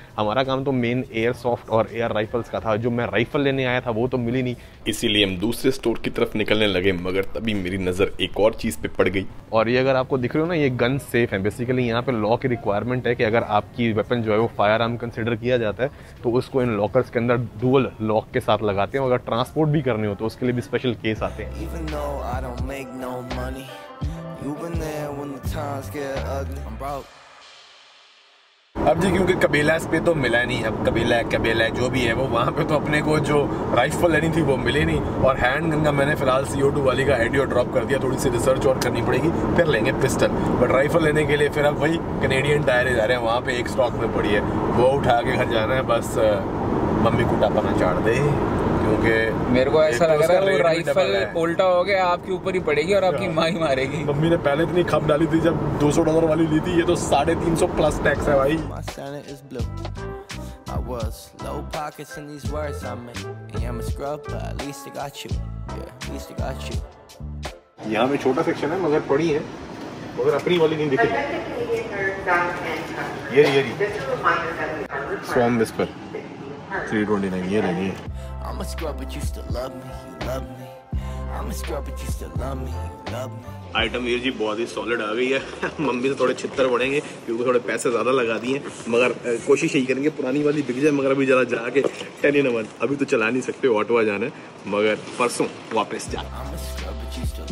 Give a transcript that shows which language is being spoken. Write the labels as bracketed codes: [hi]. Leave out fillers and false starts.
[hi] हमारा काम तो मेन एयर सॉफ्ट और एयर राइफल्स का था, जो मैं राइफल लेने आया था वो तो मिली नहीं, इसीलिए हम दूसरे स्टोर की तरफ निकलने लगे, मगर तभी मेरी नजर एक और चीज पे पड़ गई। और ये अगर आपको दिख रहे हो ना, ये गन सेफ है, बेसिकली यहाँ पे लॉ की रिक्वायरमेंट है कि अगर आपकी वेपन जो है वो फायर आर्म कंसिडर किया जाता है तो उसको इन लॉकर्स के अंदर डुअल लॉक के साथ लगाते हैं, अगर ट्रांसपोर्ट भी करने हो तो उसके लिए भी स्पेशल केस आते हैं। [en] No, I don't make no money. You've been there when the times get ugly. I'm broke. [hi] अब जी क्योंकि कबीला इस पे तो मिला नहीं, अब कबीला है जो भी है वो वहाँ पे, तो अपने को जो राइफल लेनी थी वो मिले नहीं, और हैंड गन का मैंने फिलहाल CO2 वाली का आइडिया ड्रॉप कर दिया, थोड़ी सी रिसर्च और करनी पड़ेगी फिर लेंगे पिस्टल। बट राइफल लेने के लिए फिर अब वही कनेडियन टायर जा रहे हैं, वहाँ पे एक स्टॉक में पड़ी है, वो उठा के घर जाना है, बस मम्मी को टापाना चाड़ दे, क्योंकि मेरे को ऐसा लग रहा है वो राइफल उल्टा हो गया आपके ऊपर ही पड़ेगी और आपकी माँ ही मारेगी। मम्मी ने पहले इतनी खप डाली थी जब $200 वाली ली थी, ये तो 350 प्लस टैक्स है भाई। [en] My standard is blue. I was low pockets in these words I made. Yeah, I'm a scrub, but at least I got you. Yeah, at least I got you. [hi] यहाँ में छोटा section है मगर पड़ी है, मगर अपनी वाली नहीं दिख रही। ये रही, ये रही। Swarm Whisper. 329. ये रही। [en] I'm a scrub, but you still love me. You love me. I'm a scrub, but you still love me. You love me. [hi] Item Veer ji बहुत ही सॉलिड आ गई है। मम्मी से थोड़े छितर पड़ेंगे क्योंकि थोड़े पैसे ज़्यादा लगा दिए हैं, मगर कोशिश यही करेंगे पुरानी वाली बिक जाए, मगर अभी जरा जाके 10-in-1 अभी तो चला नहीं सकते, ऑटो आ जाना है, मगर परसों वापस जा।